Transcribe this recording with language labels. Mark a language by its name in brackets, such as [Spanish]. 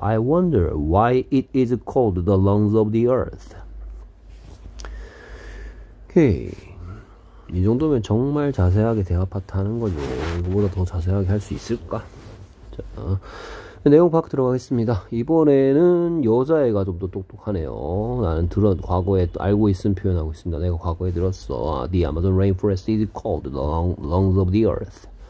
[English] I wonder why it is cold the lungs of the earth. [Korean] Okay. 이 정도면 정말 자세하게 대화 파트 하는 거죠. 이거보다 더 자세하게 할 수 있을까? 자. 내용 파악 들어가겠습니다. 이번에는 여자애가 좀 더 똑똑하네요. 나는 들은 과거에 또 알고 있음 표현하고 있습니다. 내가 과거에 들었어. [English] The Amazon rainforest is called the lungs of the earth.